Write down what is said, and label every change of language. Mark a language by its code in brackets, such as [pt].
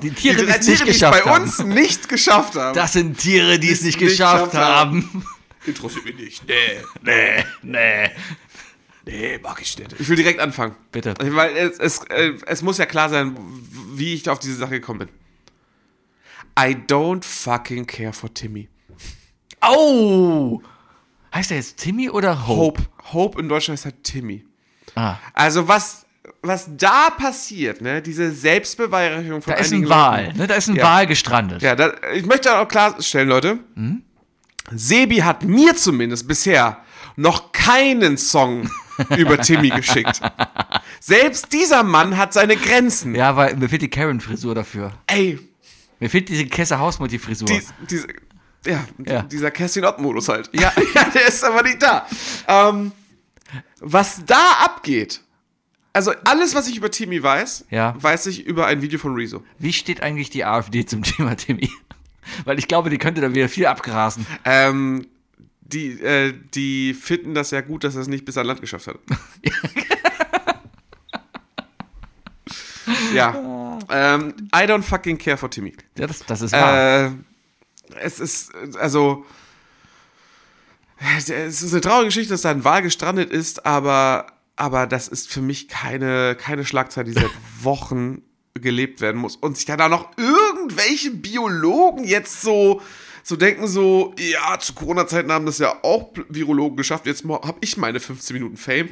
[de] Die Tiere, die es nicht geschafft haben. Die bei uns nicht geschafft haben. Das sind Tiere, die es nicht geschafft haben. Interessiert mich nicht. Nee, mag ich nicht. Ich will direkt anfangen. Bitte. Weil es muss ja klar sein, wie ich auf diese Sache gekommen bin. [en] I don't fucking care for Timmy. Oh! [de] Heißt er jetzt Timmy oder Hope? Hope in Deutschland heißt halt Timmy. Ah. Also was da passiert, ne? Diese Selbstbeweihräucherung von einigen Leuten. Da ist ein Wal, ne? Da ist ein Wal gestrandet. Ja, ich möchte auch klarstellen, Leute. Sebi hat mir zumindest bisher noch keinen Song über Timmy geschickt. Selbst dieser Mann hat seine Grenzen. Ja, weil mir fehlt die Karen-Frisur dafür. Ey. Mir fehlt diese Kesse-Hausmutti-Frisur. Dieser Kerstin-Ott-Modus halt. Ja. Ja, der ist aber nicht da. Was da abgeht, also alles, was ich über Timmy weiß, weiß ich über ein Video von Rezo. Wie steht eigentlich die AfD zum Thema Timmy? Weil ich glaube, die könnte da wieder viel abgrasen. Die finden das ja gut, dass er es nicht bis an Land geschafft hat. Ja. [en] I don't fucking care for Timmy. [de] Ja, das ist wahr. Es ist eine traurige Geschichte, dass da ein Wal gestrandet ist, aber das ist für mich keine Schlagzeile, die seit Wochen gelebt werden muss. Und sich da noch irgendwelche Biologen jetzt so denken, so, ja, zu Corona-Zeiten haben das ja auch Virologen geschafft, jetzt habe ich meine 15 Minuten Fame.